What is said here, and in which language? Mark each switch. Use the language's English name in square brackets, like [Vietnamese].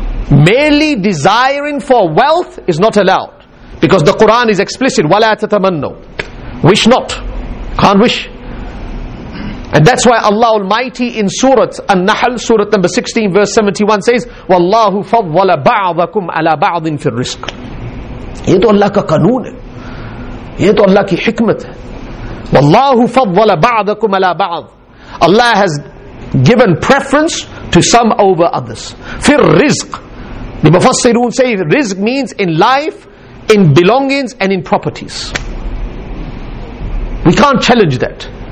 [English] Merely desiring for wealth is not allowed. Because the Quran is explicit, [Arabic] وَلَا تَتَمَنَّوْا. [English] Wish not. Can't wish. And that's why Allah Almighty in Surah An-Nahl, Surah number 16, verse 71 says, [Arabic] وَاللَّهُ فَضَّلَ بَعْضَكُمْ عَلَىٰ بَعْضٍ فِي الرِّزْقِ. [Urdu] یہ تو اللہ کا قانون ہے. یہ تو اللہ کی حکمت ہے. [Arabic] وَاللَّهُ فَضَّلَ بَعْضَكُمْ عَلَىٰ بَعْضٍ. [English] Allah has given preference to some over others. [Arabic] Fir rizq. [English] The Mufassirun say rizq means in life, in belongings, and in properties. We can't challenge that.